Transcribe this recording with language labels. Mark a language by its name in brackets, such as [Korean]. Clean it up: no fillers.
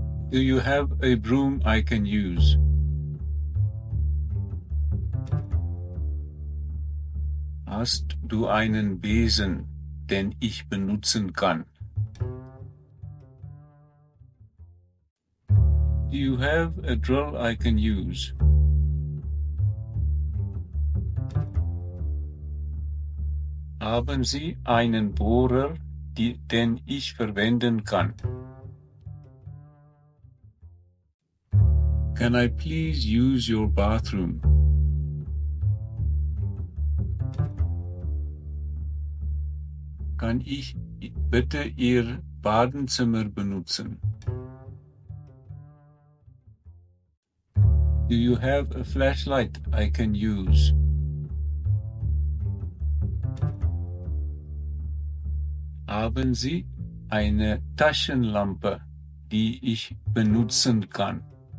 [English] Do you have a broom I can use? [German] Hast du einen Besen, den ich benutzen kann? [English] Do you have a drill I can use? [German] Haben Sie einen Bohrer, den ich verwenden kann? [English] Can I please use your bathroom? [German] Kann ich bitte Ihr Badezimmer benutzen? [English] Do you have a flashlight I can use? [German] Haben Sie eine Taschenlampe, die ich benutzen kann?